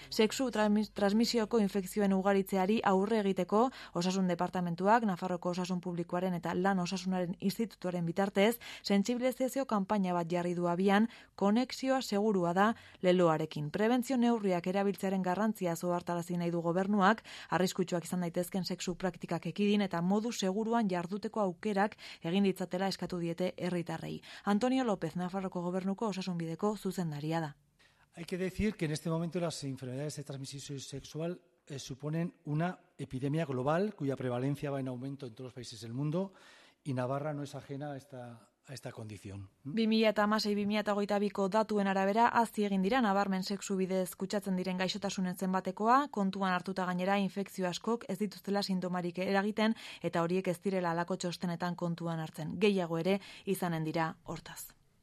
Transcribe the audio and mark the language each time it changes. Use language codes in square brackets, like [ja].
[eu] Sexu transmisioko infekzioen ugaritzeari aurre egiteko Osasun Departamentuak Nafarroko Osasun Publikoaren eta Lan Osasunaren Institutuaren bitartez, sentsibilizazio kanpaina bat jarri du abian, konexioa segurua da leloarekin. Prebentzio neurriak erabiltzearen garrantzia ohartarazi nahi du gobernuak, arriskutsuak izan daitezken sexu praktikak ekidin eta modu seguruan jarduteko aukerak egin ditzatela eskatu diete herritarrei. Antonio López, Nafarroko Gobernuko Osasunbideko zuzendaria da. [es] Hay que decir que en este momento las enfermedades de transmisión sexual suponen una epidemia global cuya prevalencia va en aumento en todos los países del mundo y Navarra no es ajena a esta a esta condición. [eu] 2016-2022ko datuen arabera azti egin dira nabarmen sexu bidez kutsatzen diren gaixotasunen zenbatekoa, kontuan hartuta gainera infekzio askok ez dituztela sintomarik eragiten eta horiek ez direla alako txostenetan kontuan hartzen. Gehiago ere izanen dira hortaz.